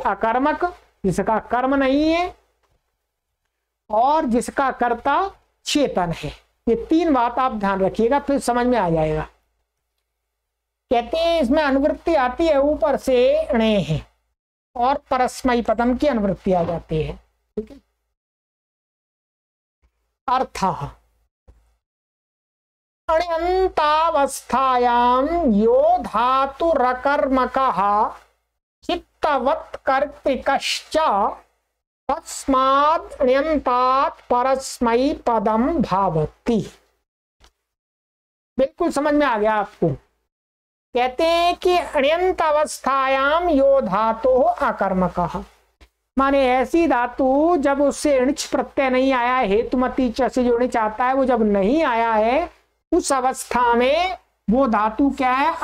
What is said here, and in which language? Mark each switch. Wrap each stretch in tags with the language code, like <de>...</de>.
<hi>अकर्मक, जिसका कर्म नहीं है, और जिसका कर्ता चेतन है। ये तीन बात आप ध्यान रखिएगा, फिर समझ में आ जाएगा। कहते हैं इसमें अनुवृत्ति आती है ऊपर से अणे है, और परस्मै पदम की अनुवृत्ति आ जाती है, ठीक है।</hi> <sa>अर्थः अण्यन्तावस्थायां यो धातुरकर्मकः चित्तवत् कर्तृकश्च तस्मात् अण्यन्तात् परस्मै पदं भावति।</sa> <hi>बिल्कुल समझ में आ गया आपको। कहते हैं कि अण्यंत अवस्थायाम यो धातु अकर्मक, माने ऐसी धातु जब उससे इणिच प्रत्यय नहीं आया है, हेतुमति से जो इणिच आता है वो जब नहीं आया है, उस अवस्था में वो धातु क्या है?</hi>